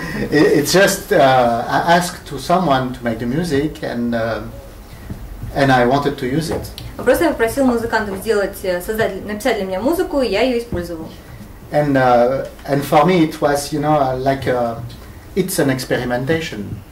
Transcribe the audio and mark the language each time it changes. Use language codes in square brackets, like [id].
[en] It's just I asked to someone to make the music and I wanted to use it. [ru] Просто я попросил музыкантов написать для меня музыку, и я ее использовал. [en] And for me it was, you know, like it's an experimentation.